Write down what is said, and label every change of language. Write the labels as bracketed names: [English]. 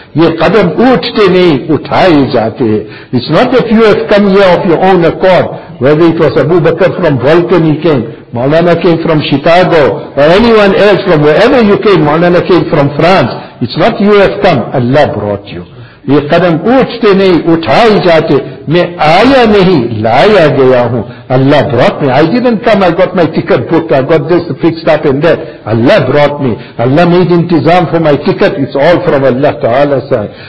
[Urdu] Ye qadam uthte nahi, uthaye jaate hai. [English] It's not that you have come here of your own accord. Whether it was Abu Bakr from Vulcan he came, Maulana came from Chicago, or anyone else from wherever you came, Maulana came from France. It's not you have come, Allah brought you. [Urdu] Ye qadam uthte nahi, uthaye jaate. میں آیا نہیں لایا گیا ہوں. [English] Allah brought me. I didn't come. I got my ticket booked. I got this fixed up in there. Allah brought me. Allah made intizam for my ticket. It's all from Allah Ta'ala side.